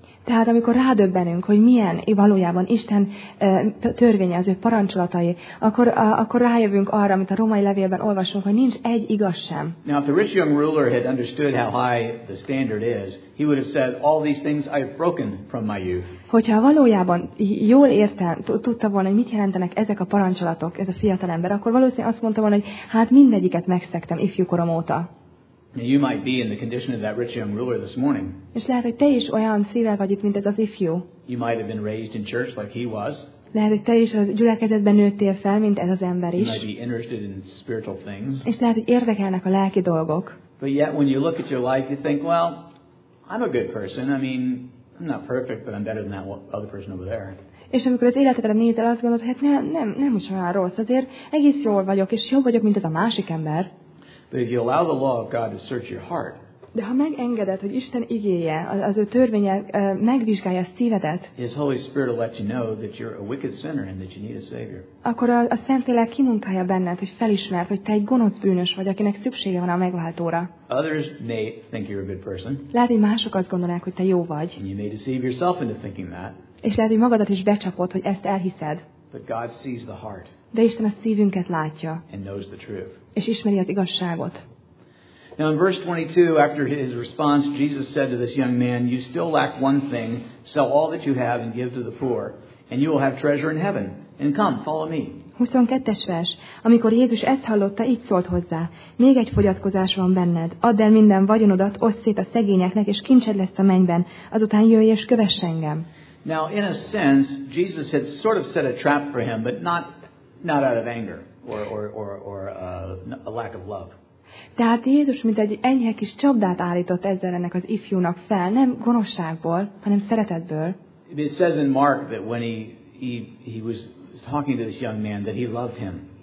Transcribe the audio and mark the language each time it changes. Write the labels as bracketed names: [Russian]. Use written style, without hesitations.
[Hungarian] Tehát amikor rádöbbenünk, hogy milyen valójában Isten törvénye, az ő parancsolatai, akkor rájövünk arra, amit a római levélben olvasunk, hogy nincs egy igaz sem. [English] Now, if the rich young ruler had understood how high the standard is, he would have said, all these things I've broken from my youth. [Hungarian] Hogyha valójában jól érte, tudta volna, hogy mit jelentenek ezek a parancsolatok, ez a fiatalember, akkor valószínűleg azt mondta volna, hogy hát mindegyiket megszegtem ifjúkorom óta. [English] Now you might be in the condition of that rich young ruler this morning. [Hungarian] És lehet, hogy te is olyan szívvel vagy itt, mint ez az ifjú. [English] You might have been raised in church like he was. [Hungarian] Lehet, hogy te is a gyülekezetben nőttél fel, mint ez az ember is. [English] You might be interested in spiritual things. [Hungarian] És lehet, hogy érdekelnek a lelki dolgok. [English] But yet when you look at your life, you think, well, I'm a good person. I mean, I'm not perfect, but I'm better than that other person over there. [Hungarian] És amikor az életedre nézel, azt gondolod, hát nem is olyan rossz, azért egész jól vagyok, és jobb vagyok, mint ez a másik ember. [English] But if you allow the law of God to search your heart, [Hungarian] de ha megengeded, hogy Isten igéje, az ő törvénye megvizsgálja a szívedet, [English] His Holy Spirit will let you know that you're a wicked sinner and that you need a Savior. [Hungarian] Akkor a Szentlélek kimunkálja benned, hogy felismerd, hogy te egy gonosz bűnös vagy, akinek szüksége van a megváltóra. [English] Others may think you're a good person. [Hungarian] Lehet, hogy mások azt gondolják, hogy te jó vagy. [English] And you may deceive yourself into thinking that. [Hungarian] És lehet, hogy magadat is becsapod, hogy ezt elhiszed. [English] But God sees the heart. [Hungarian] De Isten a szívünket látja. [English] And knows the truth. [Hungarian] És ismeri az igazságot. [English] Now in verse 22, after his response, Jesus said to this young man, "You still lack one thing. Sell all that you have and give to the poor, and you will have treasure in heaven. And come, follow me." [Hungarian] 22. vers. Amikor Jézus ezt hallotta, így szólt hozzá. Még egy fogyatkozás van benned. Add el minden vagyonodat, oszd szét a szegényeknek, és kincsed lesz a mennyben. Azután jöjj és kövess engem. [English] Now in a sense, Jesus had sort of set a trap for him, but not out of anger. Or a lack of love. [Hungarian] Tehát Jézus mint egy enyhe kis csapdát állított ezzel ennek az ifjúnak fel, nem gonoszságból, hanem szeretetből. [English] It says in Mark that when he was talking to this young man that he loved him.